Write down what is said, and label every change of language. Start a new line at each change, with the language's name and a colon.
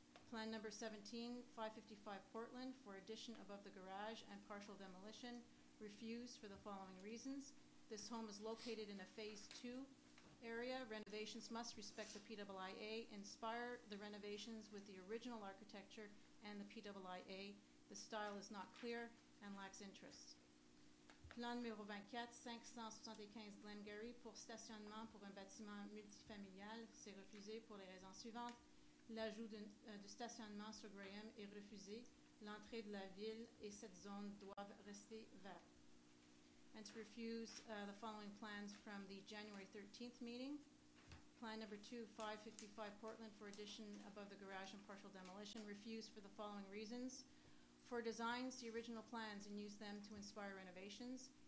English: Plan number 17, 555 Portland for addition above the garage and partial demolition, refused for the following reasons. This home is located in a phase 2 area. Renovations must respect the PWIA, inspire the renovations with the original architecture and the PWIA. The style is not clear and lacks interest.
French: Plan numéro 24, 575 Glengarry pour stationnement pour un bâtiment multifamilial. C'est refusé pour les raisons suivantes. L'ajout de stationnement sur Graham est refusé. L'entrée de la ville et cette zone doivent rester vertes.
English: And to refuse the following plans from the January 13th meeting. Plan number 2, 555 Portland for addition above the garage and partial demolition. Refused for the following reasons. For designs, the original plans and use them to inspire renovations.